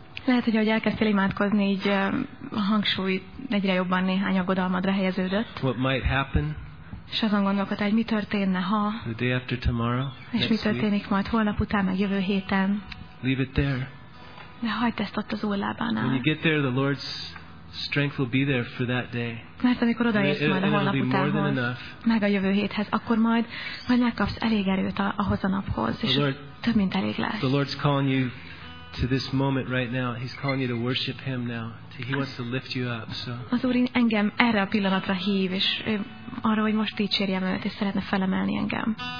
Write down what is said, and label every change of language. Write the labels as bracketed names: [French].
[Hungarian] Lehet, hogy ahogy elkezdtél imádkozni, így a hangsúly egyre jobban néhány aggodalmadra helyeződött. [English] What might happen? [Hungarian] És azon gondolkodtál, hogy mi történne, ha? [English] The day after tomorrow. [Hungarian] És mi történik majd holnap után, meg jövő héten? [English] Leave it there. [Hungarian] De hagyd ezt ott az Úr lábánál. [English] When you get there, the Lord's strength will be there for that day. [Hungarian] Mert amikor odaérsz majd a holnap utánhoz, meg a jövő héthez, akkor majd megkapsz elég erőt ahhoz a naphoz, és több mint elég lesz. [English] The Lord's calling you to this moment right now. He's calling you to worship Him now. He wants to lift you up. So. [Hungarian] Az Úr engem erre a pillanatra hív, és arra, hogy most dicsérjem Őt, és szeretne felemelni engem.